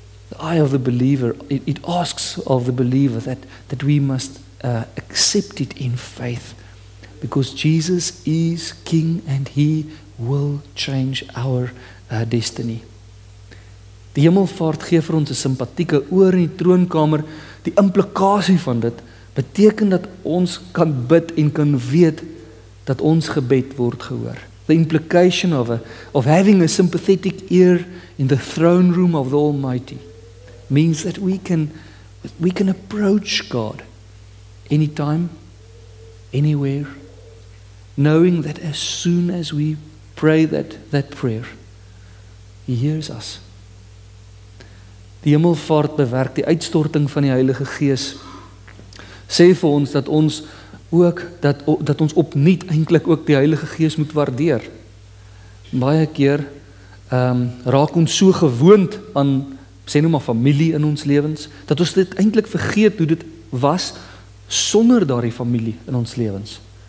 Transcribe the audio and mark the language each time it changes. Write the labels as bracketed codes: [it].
[en] The eye of the believer, it asks of the believer that we must accept it in faith, because Jesus is king and he will change our destiny. [af] Die hemelvaart gee vir ons 'n sympatieke oor in die troonkamer. Die implikasie van dit beteken dat ons kan bid en kan weet dat ons gebed word gehoor. [en] The implication of having a sympathetic ear in the throne room of the Almighty means that we can approach God anytime, anywhere, knowing that as soon as we pray that prayer, he hears us. [af] Die hemelvaart bewerk die uitstorting van die Heilige Gees, sê vir ons dat ons ook, dat ons opnuut eintlik ook die Heilige Gees moet waardeer. Baie keer raak ons so gewoond aan, sê nou maar familie in ons lewens, dat ons dit eintlik vergeet hoe dit was sonder daardie familie in ons lewens.